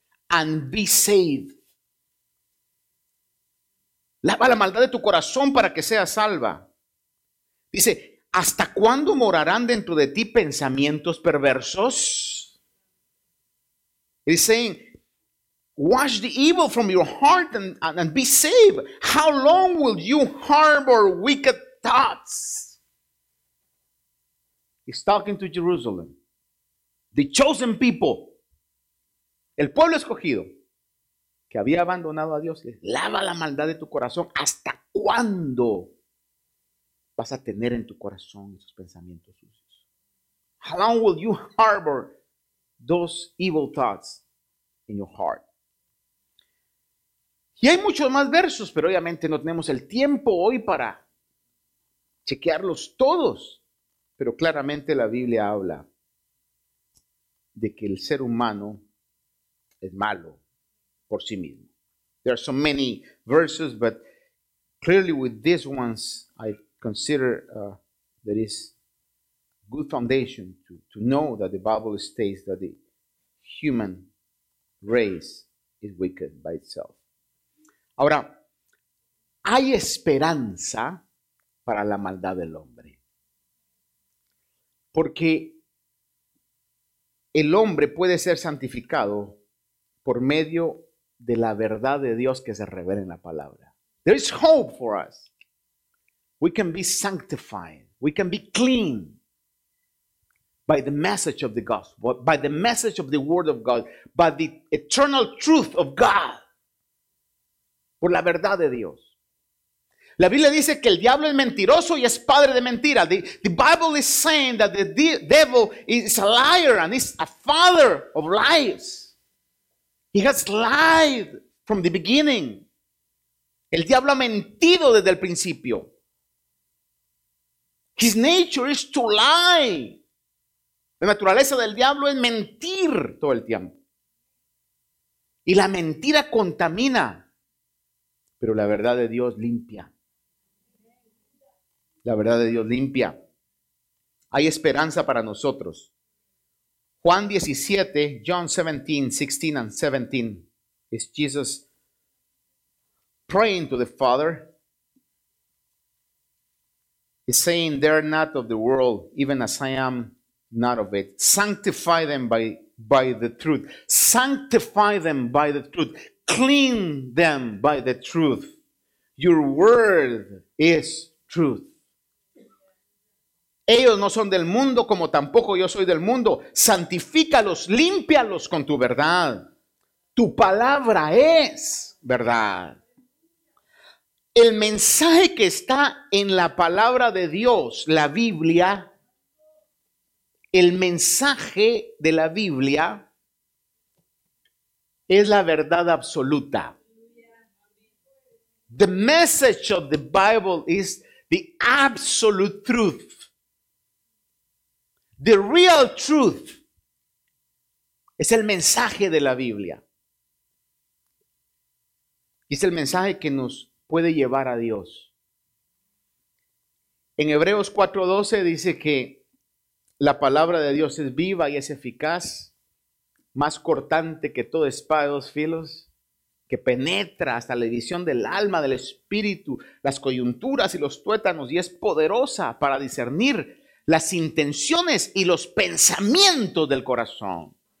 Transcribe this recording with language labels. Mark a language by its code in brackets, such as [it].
[en] and be saved. [es] Lava la maldad de tu corazón para que seas salva. Dice, ¿hasta cuándo morarán dentro de ti pensamientos perversos? [en] He's saying, wash the evil from your heart and be saved. How long will you harbor wicked thoughts? He's talking to Jerusalem, the chosen people, [es] el pueblo escogido, que había abandonado a Dios. Lava la maldad de tu corazón. ¿Hasta cuándo vas a tener en tu corazón esos pensamientos sucios? [en] How long will you harbor those evil thoughts in your heart? [es] Y hay muchos más versos, pero obviamente no tenemos el tiempo hoy para chequearlos todos. Pero claramente la Biblia habla de que el ser humano es malo por sí mismo. [en] There are so many verses, but clearly with these ones, I consider there is good foundation to know that the Bible states that the human race is wicked by itself. [es] Ahora, hay esperanza para la maldad del hombre. Porque el hombre puede ser santificado por medio de la verdad de Dios que se revela en la palabra. [en] There is hope for us. We can be sanctified. We can be clean by the message of the gospel, by the message of the word of God, by the eternal truth of God. [es] Por la verdad de Dios. La Biblia dice que el diablo es mentiroso y es padre de mentira. [en] The Bible is saying that the devil is a liar and is a father of lies. He has lied from the beginning. [es] El diablo ha mentido desde el principio. [en] His nature is to lie. [es] La naturaleza del diablo es mentir todo el tiempo. Y la mentira contamina, pero la verdad de Dios limpia. La verdad de Dios limpia. Hay esperanza para nosotros. [en] Juan 17, John 17, 16 and 17. Is Jesus praying to the Father. He's saying, they're not of the world, even as I am not of it. Sanctify them by the truth. Sanctify them by the truth. Clean them by the truth. Your word is truth. [es] Ellos no son del mundo, como tampoco yo soy del mundo. Santifícalos, límpialos con tu verdad. Tu palabra es verdad. El mensaje que está en la palabra de Dios, la Biblia, el mensaje de la Biblia es la verdad absoluta. [en] The message of the Bible is the absolute truth. The real truth [es] es el mensaje de la Biblia. Y es el mensaje que nos puede llevar a Dios. En Hebreos 4:12 dice que la palabra de Dios es viva y es eficaz, más cortante que toda espada de dos filos, que penetra hasta la división del alma, del espíritu, las coyunturas y los tuétanos, y es poderosa para discernir las intenciones y los pensamientos del corazón.